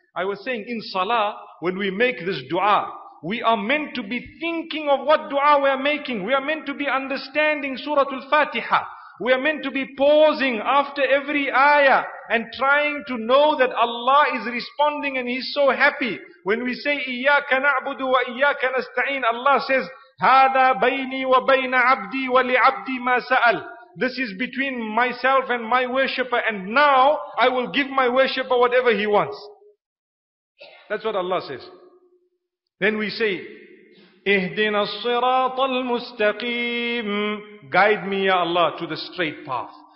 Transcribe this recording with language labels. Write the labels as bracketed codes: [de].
[en] I was saying in salah, when we make this dua, we are meant to be thinking of what dua we are making. We are meant to be understanding Surah Al-Fatiha. We are meant to be pausing after every ayah and trying to know that Allah is responding and He's so happy. When we say, [ar] إِيَّاكَ نَعْبُدُ وَإِيَّاكَ نَسْتَعِينَ, [en] Allah says, [ar] هَذَا بَيْنِي وَبَيْنَ عَبْدِي وَلِعَبْدِي مَا سَأَلْ. [en] This is between myself and my worshipper, and now I will give my worshipper whatever he wants. That's what Allah says. Then we say, [ar] اِهْدِنَا الصِّرَاطَ الْمُسْتَقِيمِ. [en] Guide me, Ya Allah, to the straight path.